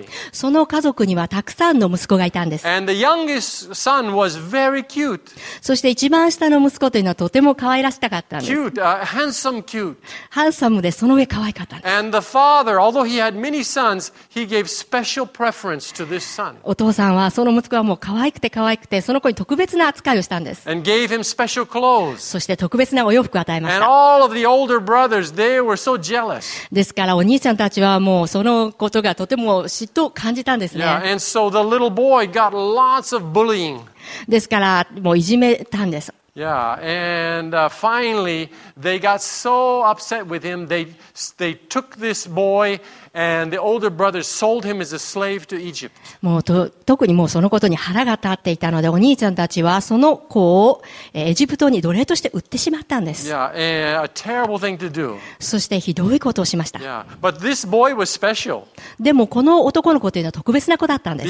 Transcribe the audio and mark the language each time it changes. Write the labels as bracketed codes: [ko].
[ja] その家族にはたくさんの息子がいたんです。 [en] And the youngest son was very cute. [ja] そして一番下の息子というのはとても可愛らしかったんです。 [en] cute, handsome, cute. [ja] ハンサムでその上可愛かったんです。 [en] And the father, although he had many sons, he gave special preference to this son. [ja] お父さんはその息子はもう可愛くて可愛くてその子に特別な扱いをしたんです。 [en] And gave him special clothes. [ja] そして特別なお洋服を与えました。 [en] All of the older brothers, they were so jealous. [ja] ですからお兄ちゃんたちはもうそのことがとても嫉妬を感じたんですね。 [en] Yeah, and so the little boy got lots of bullying. [ja] ですからもういじめたんです。 [en] Yeah, and finally they got so upset with him, they took this boy and the older brothers sold him as a slave to Egypt. [ja] もうと特にもうそのことに腹が立っていたのでお兄ちゃんたちはその子をエジプトに奴隷として売ってしまったんです。 [en] Yeah, and a terrible thing to do. [ja] そしてひどいことをしました。 [en] Yeah, but this boy was special. [ja] でもこの男の子というのは特別な子だったんです。